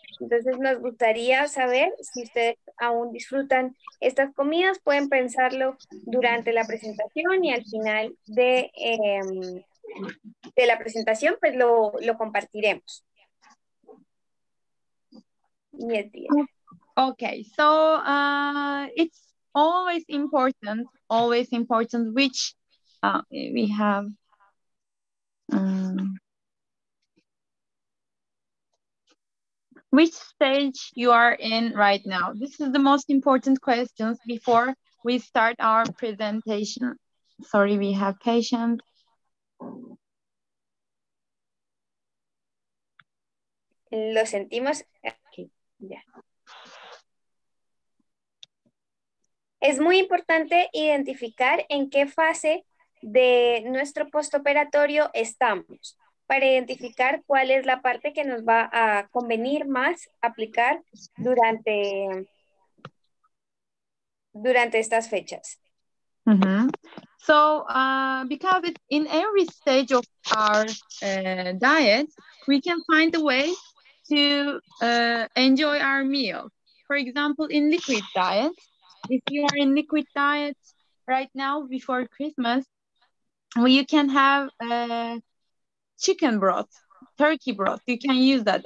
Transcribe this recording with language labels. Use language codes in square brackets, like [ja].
[es] Entonces nos gustaría saber si ustedes aún disfrutan estas comidas. Pueden pensarlo durante la presentación y al final de la presentación, pues lo compartiremos. [en] Okay, so it's always important, which we have. Which stage you are in right now? This is the most important questions before we start our presentation. Sorry, we have patients. [es] Lo sentimos. Okay. Yeah. Es muy importante identificar en qué fase de nuestro postoperatorio estamos, para identificar cuál es la parte que nos va a convenir más aplicar durante estas fechas. Mm-hmm. [en] So, because it's in every stage of our diet, we can find a way to enjoy our meal. For example, in liquid diet, if you are in liquid diet right now before Christmas, well, you can have chicken broth, turkey broth, you can use that.